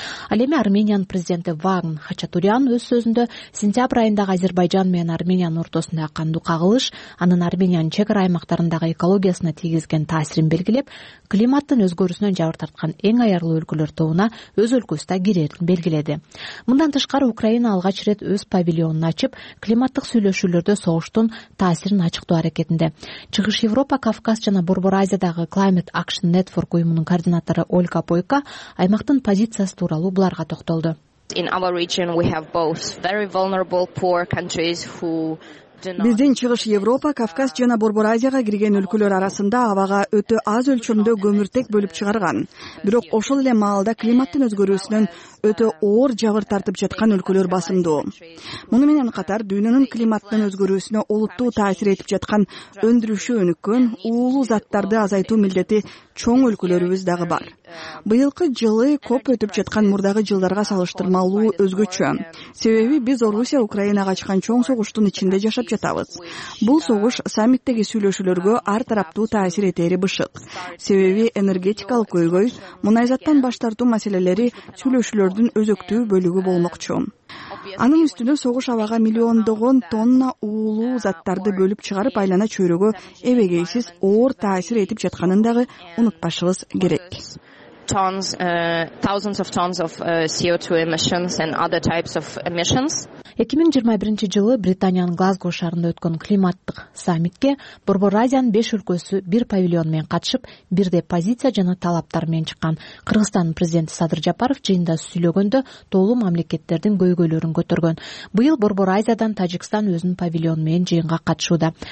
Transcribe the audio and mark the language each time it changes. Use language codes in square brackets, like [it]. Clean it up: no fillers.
[ky] Ал эми Армениянын президенти Вагн Хачатурян өз сөзүндө сентябрь айындагы Азербайжан менен Армениянын ортосундагы кандуу кагылыш анын Армениянын чек ара аймактарындагы экологиясына тийгизген таасирин белгилеп, климаттын өзгөрүүсүнөн жабыр тарткан эң аярлуу өлкөлөр тобуна өз өлкөсү да кирэрин белгиледи. Мындан тышкары Украина алгач ирет өз павильонун ачып, климаттык сүйлөшүүлөрдө согуштун таасирин ачыктоо аракетинде. Чыгыш Европа, Кавказ жана Борбор Азиядагы Climate Action Network уюмунун координатору Ольга Пойко аймактын позициясы тууралуу буларга токтолду. [en] In our region we have both very vulnerable poor countries who [ky] Биздин чыгыш Европа, Кавказ жана Борбор Азияга кирген өлкөлөр арасында абага өтө аз өлчөмдө көмүртек бөлүп чыгарган. Бирок ошол эле маалда климаттын өзгөрүүсүнөн өтө оор жабыр тартып жаткан өлкөлөр басымдуу. Муну менен катар дүйнөнүн климаттын өзгөрүүсүнө олуттуу таасир этип жаткан өндүрүшү өнүккөн уулуу заттарды азайтуу милдети чоң өлкөлөрүбүз дагы бар. Быйылкы жылы коп өтүп жаткан мурдагы жылдарга салыштырмалуу өзгөчө. Себеби биз Орусия Украинага ачкан чоң согуштун ичинде жашап жатабыз. Бул согуш саммиттеги сүйлөшүүлөргө ар тараптуу таасир этери бышык. Себеби энергетикалык көйгөй, мунайзаттан баш тартуу маселелери сүйлөшүүлөрдүн өзөктүү бөлүгү болмокчу. Анын үстүнө согуш абага миллиондогон тонна уулуу заттарды бөлүп чыгарып, айлана чөйрөгө эбегейсиз оор таасир этип жатканын дагы унутпашыбыз керек. [en] Tons, thousands of tons of CO2 emissions and other types of emissions. [ky] 2021 жылы Британиянын Глазго шаарында өткөн климаттык саммитке Борбор Азиянын 5 өлкөсү бир павильон менен катышып, бирде позиция жана талаптар менен чыккан. Кыргызстандын президенти Садыр Жапаров жыйында сүйлөгөндө тоолуу мамлекеттердин көйгөйлөрүн көтөргөн. Быйыл Борбор Азиядан Тажикстан өзүнүн павильон менен жыйынга катышууда.